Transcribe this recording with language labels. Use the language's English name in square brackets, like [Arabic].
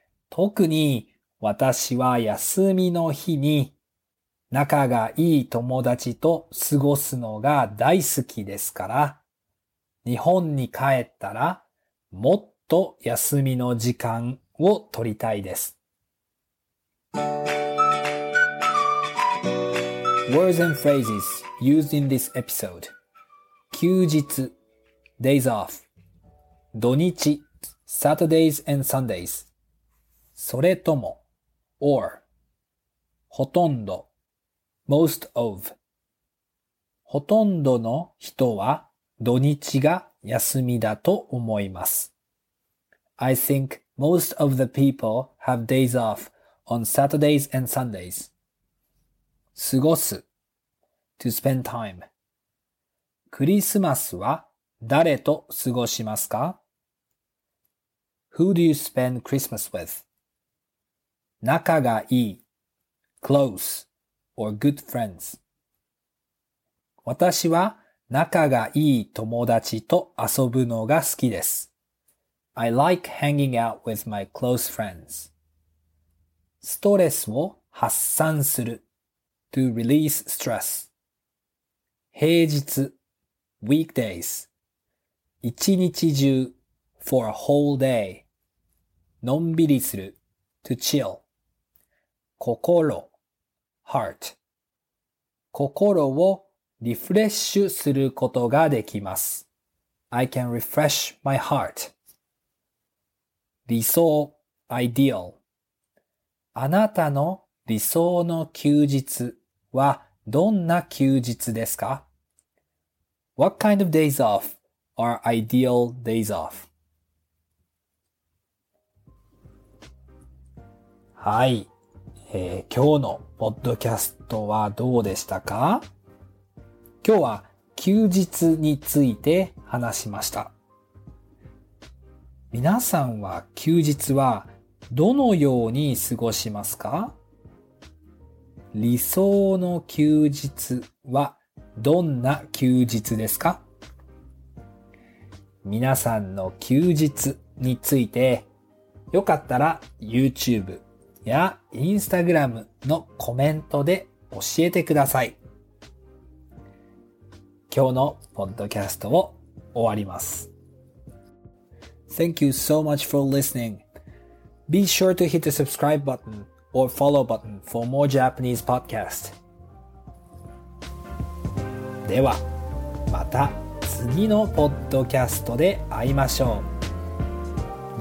[Japanese] 特に私は休みの日に仲がいい友達と過ごすのが大好きですから、日本に帰ったらもっと休みの時間を取りたいです。 [English] Words and phrases used in this episode. 休日 days off. 土日 Saturdays and Sundays. それとも or. [Japanese] ほとんど most of. ほとんどの人は土日が休みだと思います。 [English] I think most of the people have days off on Saturdays and Sundays. 過ごす to spend time. [Japanese] クリスマスは誰と過ごしますか? [English] Who do you spend Christmas with? 仲がいい close or good friends. [Japanese] 私は仲がいい友達と遊ぶのが好きです。 [English] I like hanging out with my close friends. ストレスを発散する to release stress. 平日 weekdays. 一日中 for a whole day. のんびりする to chill. 心 heart. [Japanese] 心をリフレッシュすることができます。 [English] I can refresh my heart. 理想 ideal. [Japanese] あなたの理想の休日はどんな休日ですか? [English] What kind of days off are ideal days off? [Japanese] はい、今日のポッドキャストはどうでしたか? 今日は休日について話しました。皆さんは休日はどのように過ごしますか? 理想の休日はどんな休日ですか? 皆さんの休日についてよかったら YouTube や Instagram のコメントで教えてください。今日のポッドキャストを終わります。 [English] Thank you so much for listening. Be sure to hit the subscribe button or follow button for more Japanese podcast. [Japanese] では、また次のポッドキャストで会いましょう。